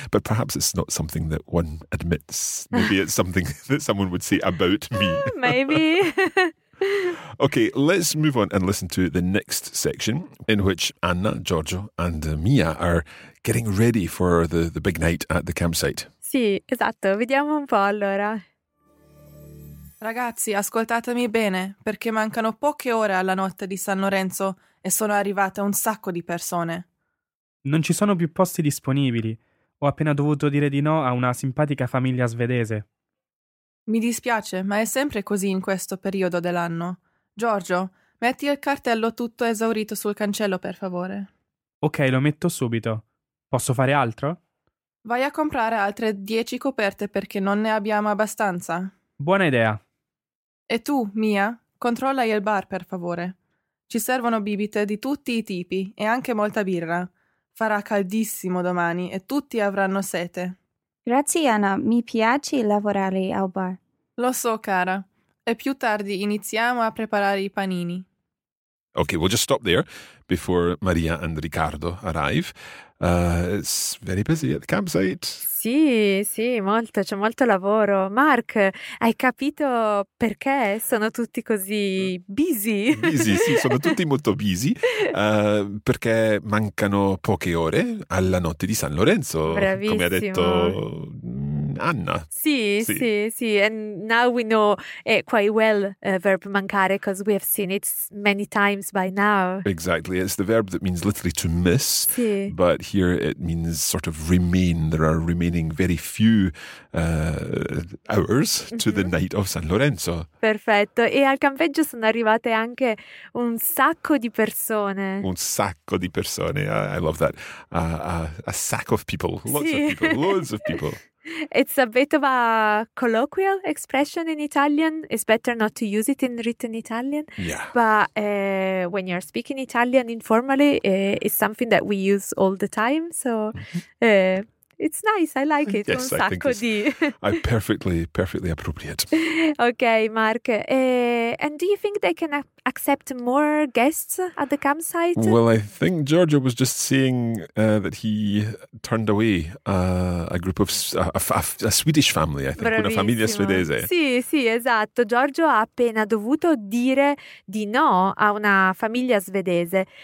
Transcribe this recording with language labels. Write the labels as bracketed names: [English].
[English] But perhaps it's not something that one admits. Maybe it's something that someone would say about me. Maybe. Okay, let's move on and listen to the next section in which Anna, Giorgio and Mia are getting ready for the big night at the campsite. [Italian] Sì, esatto. Vediamo un po' allora. Ragazzi, ascoltatemi bene, perché mancano poche ore alla notte di San Lorenzo e sono arrivate un sacco di persone. Non ci sono più posti disponibili. Ho appena dovuto dire di no a una simpatica famiglia svedese. Mi dispiace, ma è sempre così in questo periodo dell'anno. Giorgio, metti il cartello tutto esaurito sul cancello, per favore. Ok, lo metto subito. Posso fare altro? Vai a comprare altre 10 coperte perché non ne abbiamo abbastanza. Buona idea. E tu, Mia, controlla il bar, per favore. Ci servono bibite di tutti i tipi e anche molta birra. Farà caldissimo domani e tutti avranno sete. Grazie, Anna. Mi piace lavorare al bar. Lo so, cara. E più tardi iniziamo a preparare i panini. [English] Okay, we'll just stop there before Maria and Riccardo arrive. It's very busy at the campsite. [Italian] Sì, sì, molto. C'è molto lavoro. Mark, hai capito perché sono tutti così busy? Busy, sì, sono tutti molto busy. Perché mancano poche ore alla notte di San Lorenzo. Bravissimo. Come ha detto Anna. Sì, sì, sì, sì. [English] And now we know quite well verb mancare because we have seen it many times by now. Exactly. It's the verb that means literally to miss. [Italian] Sì. [English] But here it means sort of remain. There are remaining very few hours mm-hmm. to the night of San Lorenzo. [Italian] Perfetto. E al campeggio sono arrivate anche un sacco di persone. Un sacco di persone. [English] I love that. A sack of people. Lots sì. of people. Loads of people. It's a bit of a colloquial expression in Italian. It's better not to use it in written Italian. Yeah. But when you're speaking Italian informally, it's something that we use all the time. So it's nice. I like it. Yes, [Italian] un sacco [English] I think it's di. perfectly appropriate. Okay, Mark. And do you think they can accept more guests at the campsite? Well, I think Giorgio was just saying that he turned away a group of a Swedish family, I think. [Italian] Bravissimo. Una famiglia svedese. Sì, sì, esatto. Giorgio ha appena dovuto dire di no a una famiglia svedese.